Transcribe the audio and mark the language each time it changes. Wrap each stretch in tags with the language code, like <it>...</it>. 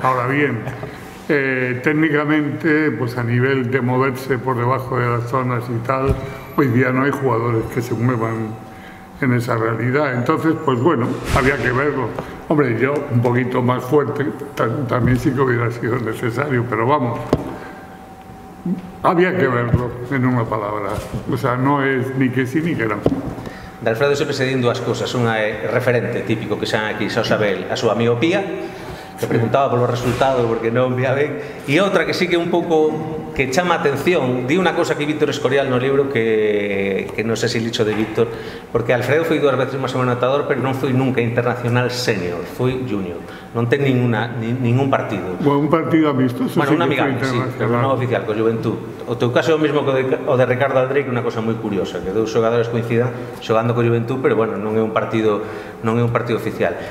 <es>Ahora bien, técnicamente, pues a nivel de moverse por debajo de las zonas y tal, hoy día no hay jugadores que se muevan en esa realidad. Entonces, pues bueno, había que verlo. Hombre, yo un poquito más fuerte también sí que hubiera sido necesario, pero vamos, había que verlo, en una palabra. O sea, no es ni que sí ni que no.</es> <gl>De Alfredo sempre se din dúas cousas. Unha é referente típico que xan aquí, xa o sabel, a súa miopía, que preguntaba polo resultado porque non vía ben, e outra que sí que un pouco que chama a atención, di unha cousa que Víctor Escorial no libro que non sei se lixo de Víctor, porque Alfredo foi dúas veces máis ou menos atador, pero non foi nunca internacional senior, foi junior. Non ten ningún partido. Bueno, un partido amistoso. Bueno, un amigable, sí, pero non oficial, con Juventud. O teu caso é o mesmo que o de Ricardo André, que é unha cosa moi curiosa, que dous xogadores coincidan xogando con Juventud, pero bueno, non é un partido oficial.</gl>